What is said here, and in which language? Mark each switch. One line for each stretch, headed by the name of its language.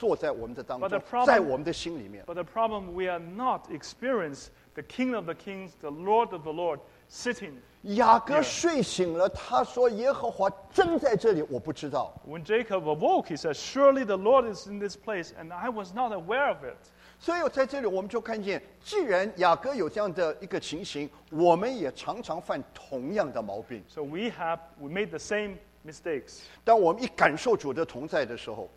Chinese: 那问题是我们没有感受到这位万王之王万主之主坐在我们的当中在我们的心里面。
English: But the problem we are not experiencing the King of the Kings, the Lord of the Lord sitting.
Chinese: 雅各睡醒了,他说耶和华真在这里,我不知道。
English: When Jacob awoke, he said, surely the Lord is in this place, and I was not aware of it.
Chinese: 所以在这里我们就看见,既然雅各有这样的一个情形,我们也常常犯同样的毛病。
English: So we made the same mistakes.
Chinese: 当我们一感受主的同在的时候,